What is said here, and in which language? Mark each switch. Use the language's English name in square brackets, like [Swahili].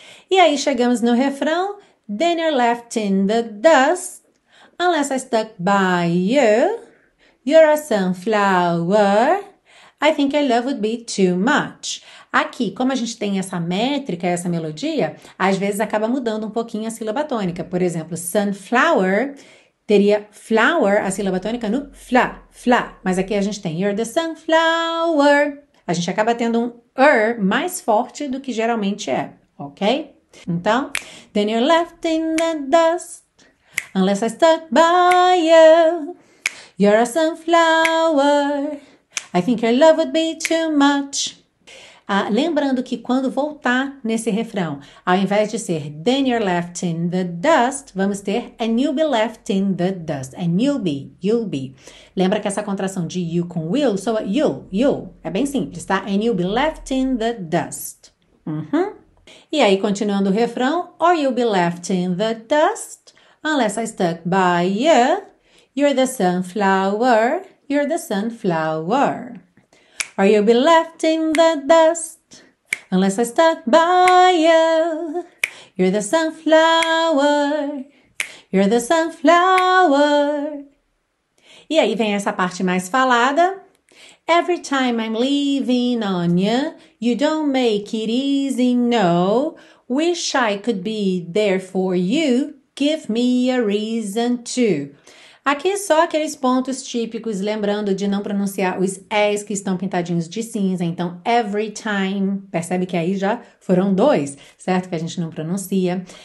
[Portuguese] E aí chegamos no refrão. [English] Then you're left in the dust, unless I stuck by you. You're a sunflower, I think your love would be too much. [Portuguese] Aqui, como a gente tem essa métrica, essa melodia, às vezes acaba mudando um pouquinho a sílaba tônica. Por exemplo, sunflower teria flower, a sílaba tônica no fla, fla. Mas aqui a gente tem [English] you're the sunflower. [Portuguese] A gente acaba tendo um er mais forte do que geralmente é, ok? [English] Então, then you're left in the dust, unless I stuck by you. You're a sunflower, I think your love would be too much. [Portuguese] Lembrando que quando voltar nesse refrão, ao invés de ser [English] then you're left in the dust, [Portuguese] vamos ter [English] and you'll be left in the dust. And you'll be. [Portuguese] Lembra que essa contração de you com will soa you. É bem simples, tá? [English] And you'll be left in the dust. Uhum. [Portuguese] E aí, continuando o refrão, [English] or you'll be left in the dust, unless I stuck by you. You're the sunflower, you're the sunflower. Or you'll be left in the dust, unless I stuck by you. You're the sunflower, you're the sunflower. [Portuguese] E aí vem essa parte mais falada. [English] Every time I'm leaving on you, you don't make it easy, no. Wish I could be there for you, give me a reason to. [Portuguese] Aqui só aqueles pontos típicos, lembrando de não pronunciar os S que estão pintadinhos de cinza. Então, [English] every time, [Portuguese] percebe que aí já foram dois, certo? Que a gente não pronuncia.